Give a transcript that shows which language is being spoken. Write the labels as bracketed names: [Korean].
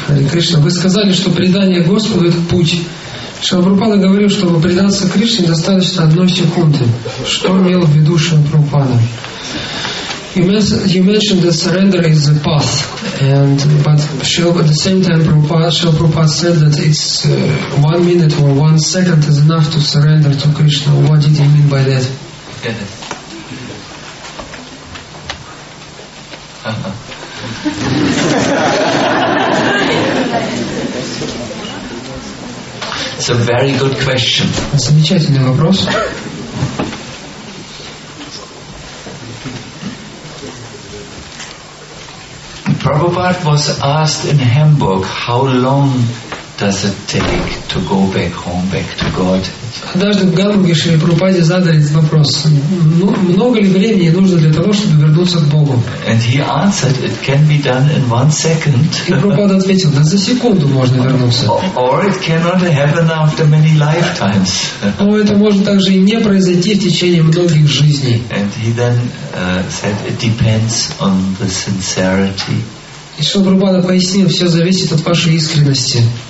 [Russian] Кришна, вы сказали, что предание Господу — это путь. Шрила говорил, что предаться Кришне достаточно одной секунды. Что имел в виду Шрила Прабхупада? [English] You mentioned that surrender is a path, and but at the same time, Prabhupada said that it's 1 minute or 1 second is enough to surrender to Krishna. What did he mean by that? It's a very good question. [Russian] Замечательный вопрос. [English] Prabhupada was asked in Hamburg, how long does it take to go back home, back to God? [Russian] Однажды в Гамбурге Шри Прабхупаде задали этот вопрос. Много ли времени нужно для того, чтобы вернуться к Богу? [English] And he answered, it can be done in 1 second. [Russian] И Прабхупада ответил, да за секунду можно вернуться. [English] Or it cannot happen after many lifetimes. [Russian] Но это может также и не произойти в течение многих жизней. [English] And he then said, it depends on the sincerity. [Russian] И Шри Прабхупада пояснил, все зависит от вашей искренности.